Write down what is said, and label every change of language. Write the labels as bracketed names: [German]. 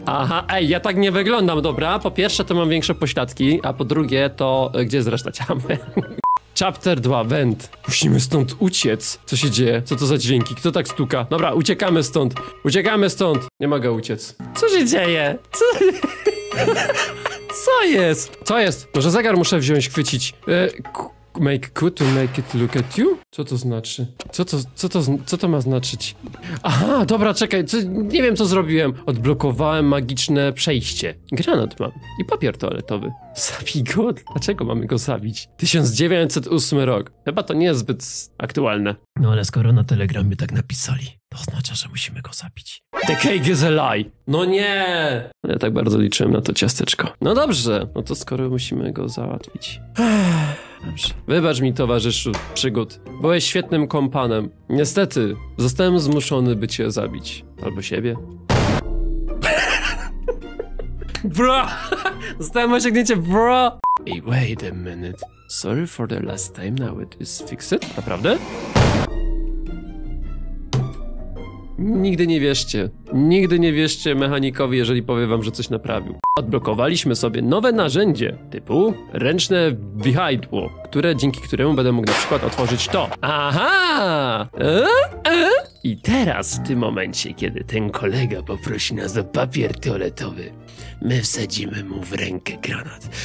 [Polish] Aha, ej, ja tak nie wyglądam, dobra. Po pierwsze, to mam większe pośladki, a po drugie, to... Gdzie jest reszta ciamy? Chapter 2, vent. Musimy stąd uciec. Co się dzieje? Co to za dźwięki? Kto tak stuka? Dobra, uciekamy stąd. Uciekamy stąd. Nie mogę uciec. Co się dzieje? Co jest? Co jest? Może zegar muszę wziąć, chwycić. [English] Make cool to make it look at you? [Polish] Co to znaczy? Co to ma znaczyć? Aha, dobra, czekaj, nie wiem co zrobiłem. Odblokowałem magiczne przejście. Granat mam i papier toaletowy. Zabij go? Dlaczego mamy go zabić? 1908 rok. Chyba to nie jest zbyt aktualne. No ale skoro na telegramie tak napisali, to oznacza, że musimy go zabić. [English] The cake is a lie! [Polish] No nie! Ja tak bardzo liczyłem na to ciasteczko. No dobrze, no to skoro musimy go załatwić. Dobrze. Wybacz mi, towarzyszu przygód. Byłeś świetnym kompanem. Niestety, zostałem zmuszony, by cię zabić. Albo siebie. Bro! Zostałem osiągnięcie, bro! [English] Hey, wait a minute. Sorry for the last time, now it is fixed? [Polish] Naprawdę? Nigdy nie wierzcie mechanikowi, jeżeli powie wam, że coś naprawił. Odblokowaliśmy sobie nowe narzędzie, typu ręczne wihajdło, dzięki któremu będę mógł na przykład otworzyć to. Aha! I teraz, w tym momencie, kiedy ten kolega poprosi nas o papier toaletowy, my wsadzimy mu w rękę granat.